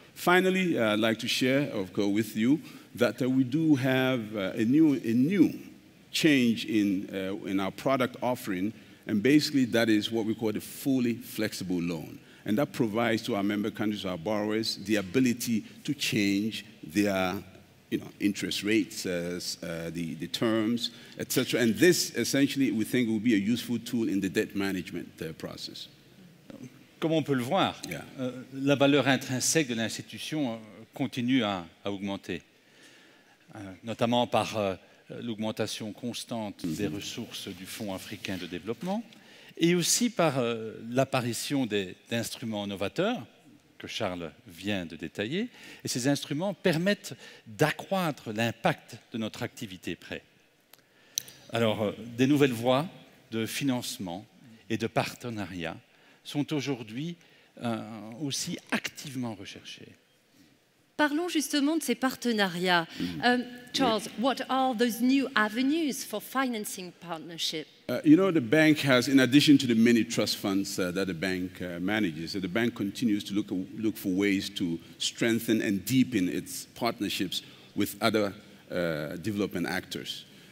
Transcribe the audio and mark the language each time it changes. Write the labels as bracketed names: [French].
[English] Finally, I'd like to share, of course, with you that we do have a new change in our product offering, and basically that is what we call the fully flexible loan. And that provides to our member countries, our borrowers, the ability to change their, you know, interest rates, the terms, et cetera. And this, essentially, we think will be a useful tool in the debt management process. [French] Comme on peut le voir, la valeur intrinsèque de l'institution continue à augmenter, notamment par l'augmentation constante des ressources du Fonds africain de développement, et aussi par l'apparition d'instruments novateurs, que Charles vient de détailler. Et ces instruments permettent d'accroître l'impact de notre activité prêt. Alors, des nouvelles voies de financement et de partenariat sont aujourd'hui aussi activement recherchées. Parlons justement de ces partenariats. [English] Charles, what are those new avenues for financing partnership? You know, the bank has, in addition to the many trust funds that the bank manages, the bank continues to look for ways to strengthen and deepen its partnerships with other development actors.